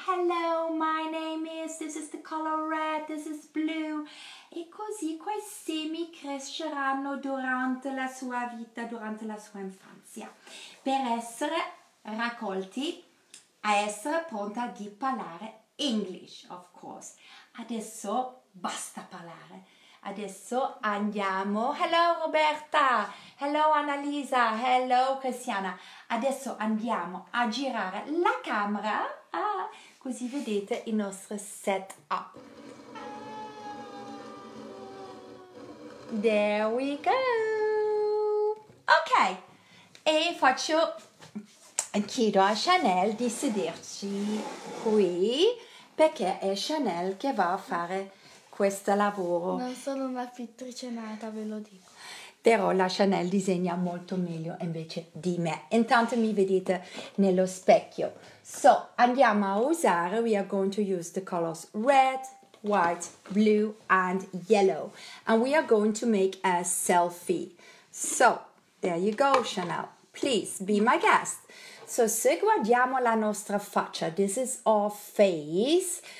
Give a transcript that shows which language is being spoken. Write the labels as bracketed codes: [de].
[en] Hello, my name is, this is the color red, this is blue. [it] E così quei semi cresceranno durante la sua vita, durante la sua infanzia, per essere raccolti, a essere pronta di parlare [en] English, of course. [it] Adesso basta parlare. Adesso andiamo. [en] Hello Roberta! Hello Annalisa! Hello Cristiana! [it] Adesso andiamo a girare la camera, così vedete il nostro setup. [en] There we go! Ok! [it] E faccio chiedo a Chanel di sederci qui perché è Chanel che va a fare questo lavoro. Non sono una pittrice nata, ve lo dico. Però la Chanel disegna molto meglio invece di me. Intanto mi vedete nello specchio. [en] So, [it] andiamo a usare, [en] we are going to use the colors red, white, blue and yellow. And we are going to make a selfie. So, there you go, Chanel. Please, be my guest. [it] So, se guardiamo la nostra faccia, [en] this is our face.